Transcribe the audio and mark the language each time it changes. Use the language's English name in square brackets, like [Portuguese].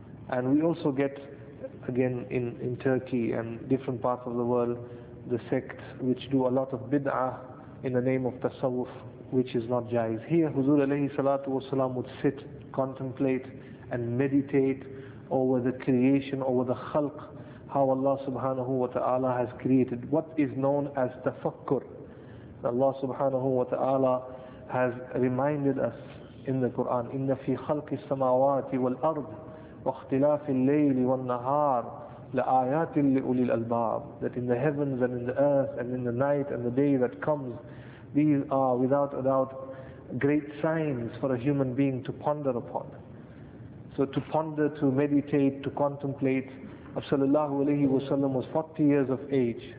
[English] And we also get, again, in Turkey and different parts of the world, the sect which do a lot of bid'ah in the name of tasawwuf, which is not jais. Here, Huzur alayhi salatu wasalam would sit, contemplate, and meditate over the creation, over the khalq, how Allah subhanahu wa ta'ala has created. What is known as tafakkur. Allah subhanahu wa ta'ala has reminded us in the Quran, [Arabic] إِنَّ فِي خَلْقِ السَّمَاوَاتِ وَالْأَرْضِ وَاخْتِلَافِ اللَّيْلِ وَالنَّهَارِ لَآيَاتٍ لِأُولِي الْأَلْبَابِ. [English] That in the heavens and in the earth and in the night and the day that comes, these are without a doubt great signs for a human being to ponder upon. So to ponder, to meditate, to contemplate. Abu sallallahu alayhi wasallam was 40 years of age.